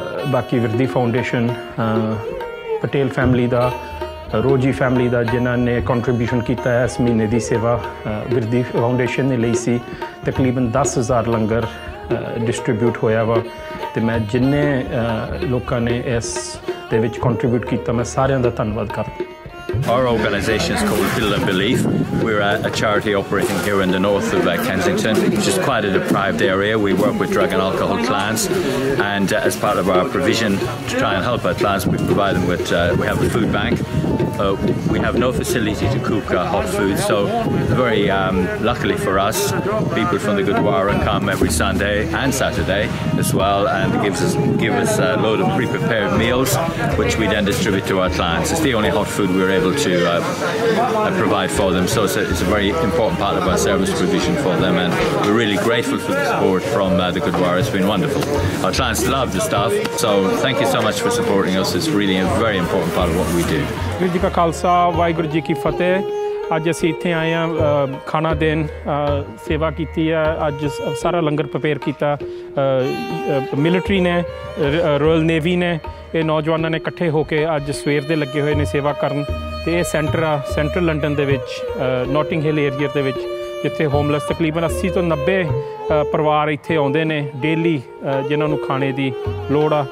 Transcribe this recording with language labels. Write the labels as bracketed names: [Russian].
[Punjabi] ਬਾਕੀ Virdi foundation, Patel family ਦਾ, ਰੋਜੀ family ਦਾ, ਜਿਨ੍ਹਾਂ ਨੇ ਕੰਟਰੀਬਿਊਸ਼ਨ ਕੀਤਾ ਇਸ ਮਹੀਨੇ ਦੀ ਸੇਵਾ ਵਿਰਦੀ ਫਾਊਂਡੇਸ਼ਨ ਨੇ ਲਈ ਸੀ। ਤਕਰੀਬਨ 10,000 ਲੰਗਰ ਡਿਸਟ੍ਰੀਬਿਊਟ ਹੋਇਆ ਵਾ, ਅਤੇ ਮੈਂ ਜਿੰਨੇ ਲੋਕਾਂ ਨੇ ਇਸ ਦੇ ਵਿੱਚ ਕੰਟਰੀਬਿਊਟ ਕੀਤਾ, ਮੈਂ ਸਾਰਿਆਂ ਦਾ ਧੰਨਵਾਦ ਕਰਦਾ। [English] Our organization is called Pillar of Belief. We're a charity operating here in the north of Kensington, which is quite a deprived area. We work with drug and alcohol clients, and as part of our provision to try and help our clients, we provide them with, we have a food bank. We have no facility to cook hot food, so very luckily for us, people from the Gurdwara come every Sunday and Saturday as well, and give us a load of pre-prepared meals, which we then distribute to our clients. It's the only hot food we're able to provide for them, so it's a very important part of our service provision for them, and we're really grateful for the support from the Gurdwara. It's been wonderful. Our clients love the stuff, so thank you so much for supporting us. It's really a very important part of what we do. [Punjabi] Khalsa Waheguru ji ਕੀ ਫਤਿਹ। ਅੱਜ ਅਸੀਂ ਇੱਥੇ ਆਏ ਹਾਂ, ਖਾਣਾ ਦੇਣ ਸੇਵਾ ਕੀਤੀ ਹੈ, ਅੱਜ ਸਾਰਾ ਲੰਗਰ ਪ੍ਰਪੇਅਰ ਕੀਤਾ। ਮਿਲਟਰੀ ਨੇ, ਰੋਇਲ ਨੇਵੀ ਨੇ, ਇਹ ਨੌਜਵਾਨਾਂ ਨੇ ਇਕੱਠੇ ਹੋ ਕੇ ਅੱਜ ਸਵੇਰ ਦੇ ਲੱਗੇ ਹੋਏ ਨੇ ਸੇਵਾ ਕਰਨ। ਅਤੇ ਇਹ ਸੈਂਟਰ ਆ ਸੈਂਟਰਲ ਲੰਡਨ ਦੇ ਵਿੱਚ, ਨੋਟਿੰਗ ਹਿੱਲ ਏਰੀਆ ਦੇ ਵਿੱਚ, ਜਿੱਥੇ ਹੋਮਲੈਸ ਤਕਰੀਬਨ 80 to 90 ਪਰਿਵਾਰ ਇੱਥੇ ਆਉਂਦੇ ਨੇ ਡੇਲੀ, ਜਿਨ੍ਹਾਂ ਨੂੰ ਖਾਣੇ ਦੀ ਲੋੜ ਆ।